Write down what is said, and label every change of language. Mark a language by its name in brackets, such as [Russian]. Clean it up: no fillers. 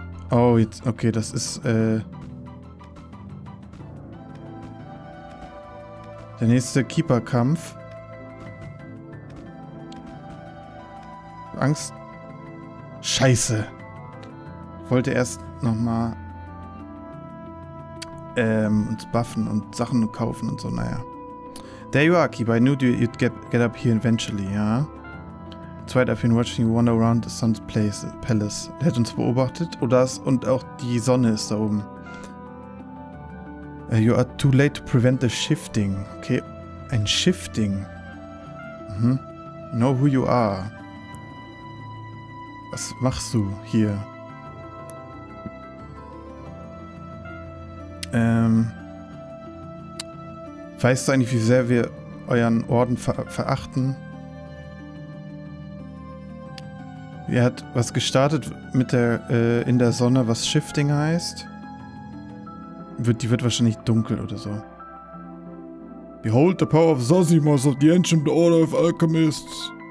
[German] Oh, jetzt, okay, das ist, der nächste Keeper-Kampf. Angst. Scheiße. Wollte erst nochmal, uns buffen und Sachen kaufen und so, naja. [English] There you are, Keeper. I knew you'd get up here eventually, ja? Yeah? Zwei, I've been watching you wander around the sun's palace. [German] Er hat uns beobachtet. Oh, das und auch die Sonne ist da oben. [English] You are too late to prevent the shifting. [German] Okay, ein Shifting. Mhm. [English] Know who you are. [German] Was machst du hier? Weißt du eigentlich, wie sehr wir euren Orden verachten? Er hat was gestartet mit der in der Sonne, was Shifting heißt. Die wird wahrscheinlich dunkel oder so. [English] Behold the power of Zosimos of the Ancient Order of Alchemists.